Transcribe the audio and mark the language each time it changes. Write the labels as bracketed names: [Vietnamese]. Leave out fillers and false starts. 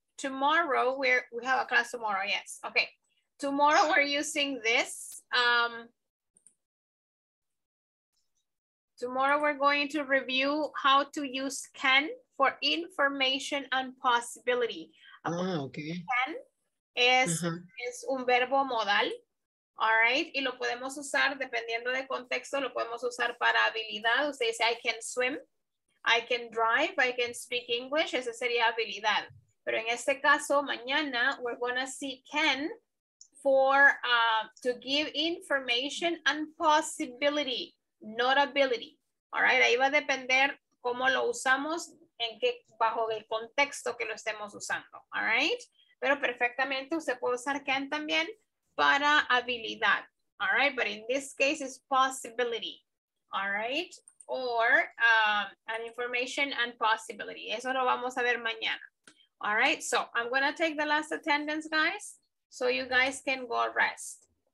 [English] Tomorrow, we have a class tomorrow, yes. Okay, tomorrow we're using this. Tomorrow we're going to review how to use can for information and possibility. Okay. Can is [Spanish] un verbo modal. [English] All right, [Spanish] y lo podemos usar dependiendo de contexto, lo podemos usar para habilidad. Usted dice, [English] I can swim, I can drive, I can speak English. [Spanish] Esa sería habilidad. Pero en este caso, mañana, [English] we're gonna see can for to give information and possibility, not ability. All right, [Spanish] ahí va a depender cómo lo usamos, en qué, bajo el contexto que lo estemos usando. [English] All right, [Spanish] pero perfectamente usted puede usar can también para habilidad, [English] all right? But in this case, it's possibility, all right? Or an information and possibility. [Spanish] Eso lo vamos a ver mañana, [English] all right? So I'm gonna take the last attendance, guys, so you guys can go rest.